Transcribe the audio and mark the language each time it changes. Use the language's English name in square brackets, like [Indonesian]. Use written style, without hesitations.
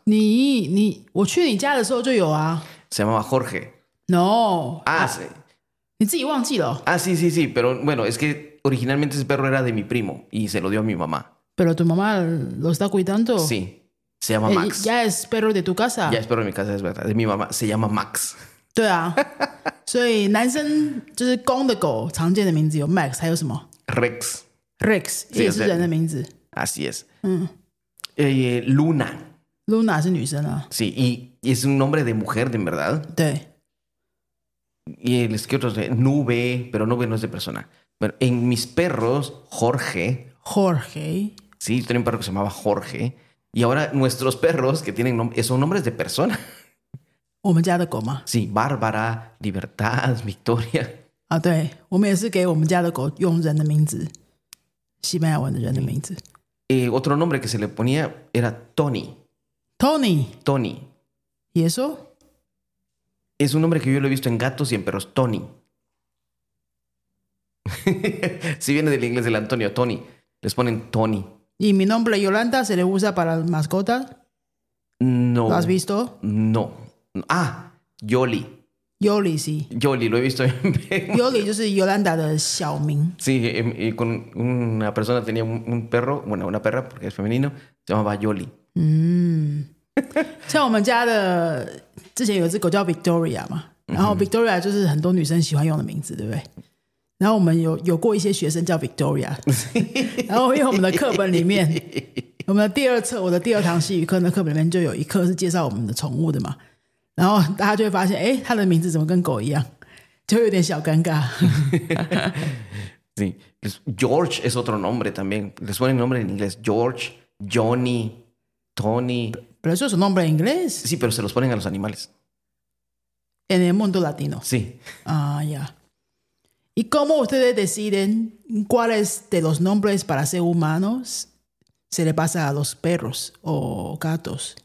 [Chinese] 你，我去你家的时候就有啊。 [Spanish] Se llamaba Jorge. No. Ah, sí. [Chinese] 你自己忘记了。 [Spanish] Ah, sí, sí, sí. Pero bueno, es que originalmente ese perro era de mi primo y se lo dio a mi mamá. Pero tu mamá lo está cuidando. Sí. Se llama Max. Ya es perro de tu casa. Ya es perro de mi casa, es verdad. De mi mamá. Se llama Max. [Chinese] 对啊，所以男生就是公的狗常见的名字有 Max， 还有什么 [Spanish] Rex， [Chinese] Rex 也是人的名字。 [Spanish] Así es。嗯。 Luna。 [Chinese] Luna 是女生啊。 [Spanish] Sí, y es un nombre de mujer, de verdad. [Chinese] 对。 [Spanish] Y les quiero decir Nube, pero Nube no es de persona. Bueno, en mis perros Jorge. Jorge. Sí, yo tenía un perro que se llamaba Jorge, y ahora nuestros perros que tienen son nombres de persona. [Chinese] 我们家的狗吗？是 Bárbara, Libertad, Victoria. 啊，对，我们也是给我们家的狗用人的名字，西班牙文的人的名字。 [Spanish] Otro nombre que se le ponía era Tony. Tony. Tony. ¿Y eso? Es un nombre que yo lo he visto en gatos y en perros. Tony. Sí, viene del inglés del Antonio, Tony. Les ponen Tony. ¿Y mi nombre Yolanda se le usa para mascota? No. ¿Lo has visto? No. Ah, Yoli. Yoli, sí. Yoli, lo he visto. Yoli, yo soy Yolanda de Xiaoming. Sí, y con una persona tenía un perro, bueno, una perra, porque es femenino, se llamaba Yoli. Mm. [Chinese] 像我们家的, 之前有一只狗叫 Victoria 嘛, 然后 Victoria 就是很多女生喜欢用的名字，对不对？然后我们有过一些学生叫 Victoria， 然后因为我们的课本里面， 我们的第二册， 我的第二堂戏语课的课本里面就有一课是介绍我们的宠物的嘛， 然后大家就会发现， 诶， 他的名字怎么跟狗一样， 就有点小尴尬。 [Spanish] Sí. George es otro nombre también. Les ponen nombre en inglés. George, Johnny, Tony. ¿Pero eso es un nombre en inglés? Sí, pero se los ponen a los animales. ¿En el mundo latino? Sí. Ah, ya. Yeah. ¿Y cómo ustedes deciden cuáles de los nombres para ser humanos se le pasa a los perros o gatos?